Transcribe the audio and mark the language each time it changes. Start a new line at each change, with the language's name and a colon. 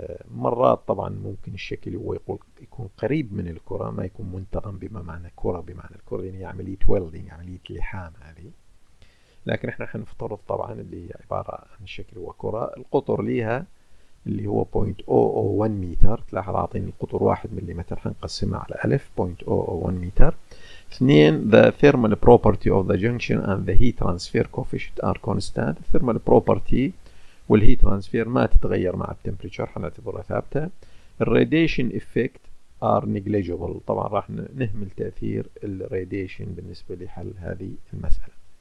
Arabic: مرات طبعا ممكن الشكل هو يقول يكون قريب من الكرة، ما يكون منتظم بمعنى كرة، بمعنى الكرة يعني عملية ويلدينج، عملية لحام هذه، لكن احنا حنفترض طبعا اللي عبارة عن شكل وكرة. القطر لها اللي هو 0.001 متر، تلاحظ عطيني قطر 1 مليمتر، حنقسمها على ألف 0.001 متر.
English: 2 the thermal property of the junction and the heat transfer coefficient are constant.
Arabic: thermal property والheat transfer ما تتغير مع التمبريتشر، حنعتبرها ثابتة.
English: radiation effect are negligible،
Arabic: طبعا راح نهمل تأثير الراديشن بالنسبة لحل هذه المسألة.